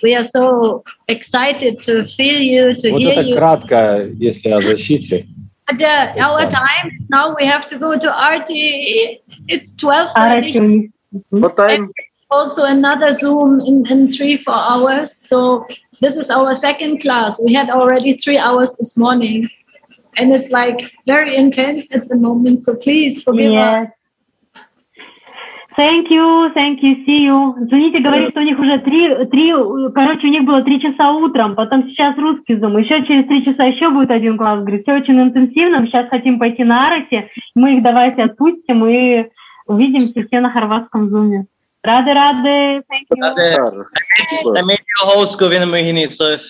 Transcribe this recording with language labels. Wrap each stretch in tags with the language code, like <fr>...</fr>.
<en>We are so excited to feel you, to вот hear you.</en> <ru>Вот это кратко, если о защите.</ru> <en>But our time, now we have to go to RT. It's 12:30. What time? Also another Zoom in 3-4 hours. So this is our second class. We had already 3 hours this morning. And it's like very intense at the moment. So please forgive us. Thank you, see you.</en> <ru>Извините, говорит, что у них уже три, короче, у них было 3 часа утром, потом сейчас русский зум, еще через 3 часа еще будет один класс. Говорит, все очень интенсивно, мы сейчас хотим пойти на арати, мы их давайте отпустим и увидимся все на хорватском зуме.</ru> <en>Rade, thank you. Rade, I made you a host, Govinda Mohini, so...</en>